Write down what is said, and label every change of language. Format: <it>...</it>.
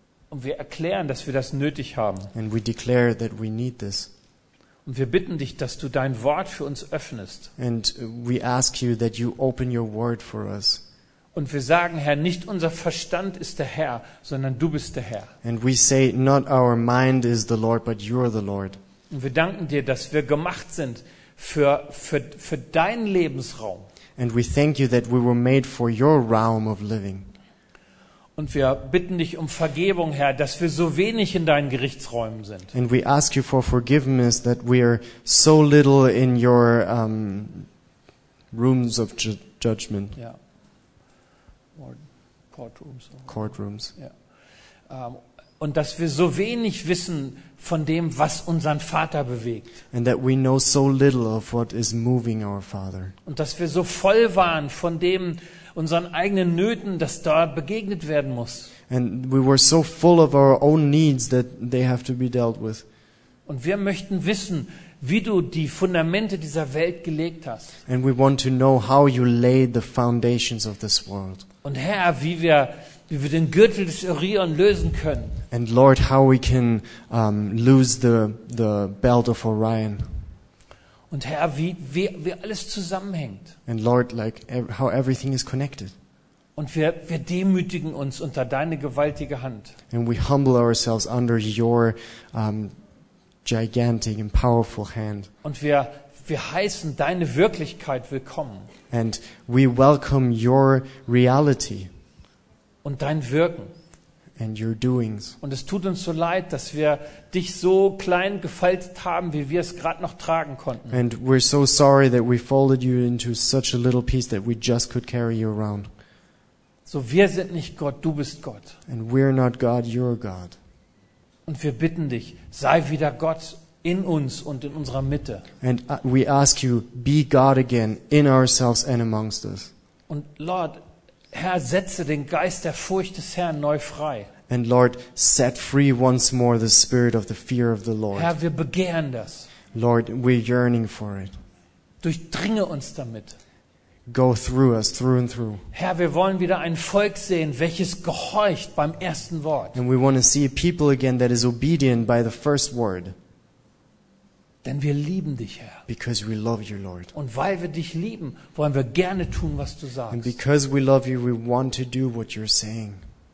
<de>Und wir erklären, dass wir das nötig haben.</de> <en>And we declare that we need this.</en> <de>Und wir bitten dich, dass du dein Wort für uns öffnest.</de> <en>And we ask you that you open your word for us.</en> <de>Und wir sagen, Herr, nicht unser Verstand ist der Herr, sondern du bist der Herr.</de> <en>And we say not our mind is the Lord, but you are the Lord.</en> <de>Und wir danken dir, dass wir gemacht sind für deinen Lebensraum.</de> <en>And we thank you that we were made for your realm of living.</en> <de>Und wir bitten dich um Vergebung, Herr, dass wir so wenig in deinen Gerichtsräumen sind.</de> <en>And we ask you for forgiveness that we are so little in your rooms of judgment. Ja. Or courtrooms. Courtrooms.</en> <de>Ja. Und dass wir so wenig wissen von dem, was unseren Vater bewegt.</de> <en>And that we know so little of what is moving our Father.</en> <de>Und dass wir so voll waren von dem, unseren eigenen Nöten, dass da begegnet werden muss.</de> <en>And we were so full of our own needs that they have to be dealt with.</en> <de>Und wir möchten wissen, wie du die Fundamente dieser Welt gelegt hast.</de> <en>And we want to know how you laid the foundations of this world.</en> <de>Und Herr, wie wir den Gürtel des Orion lösen können.</de> <en>And Lord, how we can lose the belt of Orion.</en> <de>Und Herr, wie alles zusammenhängt.</de> <en>And Lord, like how everything is connected.</en> <de>Und wir demütigen uns unter deine gewaltige Hand.</de> <en>And we humble ourselves under your gigantic and powerful hand.</en> <de>Und wir heißen deine Wirklichkeit willkommen.</de> <en>And we welcome your reality.</en> <de>und dein Wirken.</de> <en>And your doings.</en> <de>Und es tut uns so leid, dass wir dich so klein gefaltet haben, wie wir es gerade noch tragen konnten.</de> <en>And we're so sorry that we folded you into such a little piece that we just could carry you around.</en> <de>So, wir sind nicht Gott, du bist Gott.</de> <en>And we're not God, you're God.</en> <de>Und wir bitten dich, sei wieder Gott in uns und in unserer Mitte.</de> <en>And we ask you, be God again in ourselves and amongst us.</en> <de>Und Lord, Herr, setze den Geist der Furcht des Herrn neu frei.</de> <en>And Lord, set free once more the spirit of the fear of the Lord.</en> <de>Herr, wir begehren das.</de> <en>Lord, we're yearning for it.</en> <de>Durchdringe uns damit.</de> <en>Go through us, through and through.</en> <de>Herr, wir wollen wieder ein Volk sehen, welches gehorcht beim ersten Wort.</de> <en>And we want to see a people again that is obedient by the first word.</en> <de>Denn wir lieben dich, Herr.</de> <en>Because we love you, Lord.</en> <de>Und weil wir dich lieben, wollen wir gerne tun, was du sagst.</de> <en>And because we love you, we want to do what you're saying.</en>